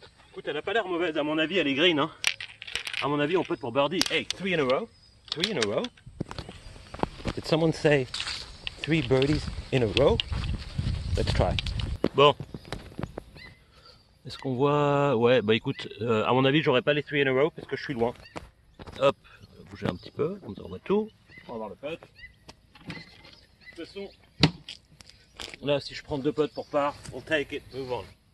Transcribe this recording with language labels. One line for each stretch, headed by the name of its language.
French: Écoute, elle a pas l'air mauvaise, à mon avis elle est green, hein. À mon avis on peut être pour birdie.
English: Hey, 3 in a row. 3 in a row. Did someone say 3 birdies in a row? Let's try.
French: Bon. Est-ce qu'on voit... Ouais, bah écoute, à mon avis j'aurais pas les
English: 3 in a row
French: parce que je suis loin. Hop, bouger un petit peu, comme ça on voit tout. On va voir le putt. De toute façon, là si je prends deux putts pour part, on
English: take it, move on.